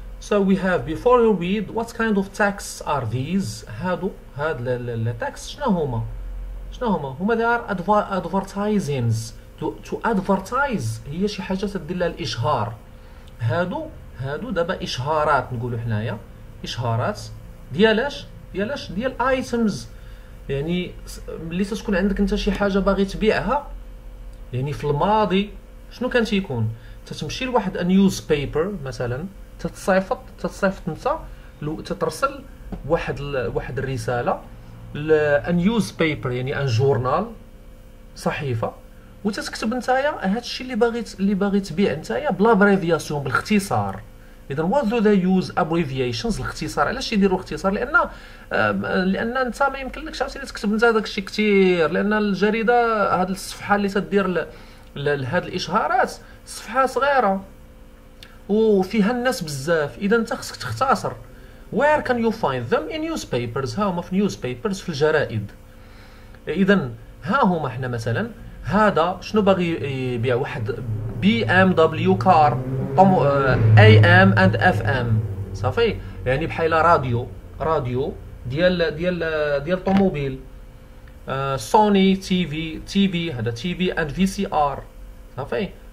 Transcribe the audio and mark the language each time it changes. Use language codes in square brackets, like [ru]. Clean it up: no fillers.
[en] So we have, before you read, what kind of texts are these? [ar] هادو هاد ال texts شنو هما؟ هما [en] they are advertisements to advertise. [ar] هي شي حاجة تدل على الإشهار. هادو دابا إشهارات نقولوا حنايا. إشهارات ديالاش ديال items. يعني ملي تكون عندك انت شي حاجة باغي تبيعها، يعني في الماضي شنو كان تيكون؟ تتمشي لواحد نيوزبيبر مثلا، تتصيفط انت تترسل واحد الرسالة لنيوزبيبر، يعني ان جورنال صحيفة، وتتكتب نتايا هادشي اللي باغي تبيع نتايا بلابريفياسيون بالاختصار. إذن [en] what do they use abbreviations؟ [ar] الاختصار. علاش يديروا اختصار؟ لأن أنت ما يمكنلكش عاوتاني تكتب أنت هذاك الشيء كثير، لأن الجريدة هاد الصفحة اللي تدير لهاد الإشهارات صفحة صغيرة وفيها الناس بزاف، إذا أنت خصك تختصر. [en] Where can you find them؟ In newspapers. [ar] ها هما في newspapers، في الجرائد. إذا ها هما حنا مثلا، هذا شنو باغي يبيع؟ واحد بي ام دبليو كار، اي ام اند اف ام، صافي. يعني بحال راديو ديال ديال ديال الطوموبيل، سوني تي في، هذا تي في اند في سي ار، صافي.